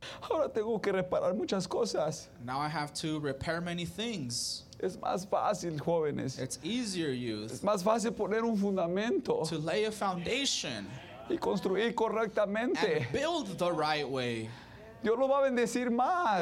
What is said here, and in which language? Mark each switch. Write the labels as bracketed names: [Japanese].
[Spanish] Ahora tengo que reparar muchas cosas. [English] Now I have to repair many things. [Spanish] Es más fácil, jóvenes. [English] It's easier, youth. [Spanish] Es más fácil poner un fundamento. [English] To lay a foundation. [Spanish] Y construir correctamente. [English] And build the right way. [Spanish] Dios lo va a bendecir más.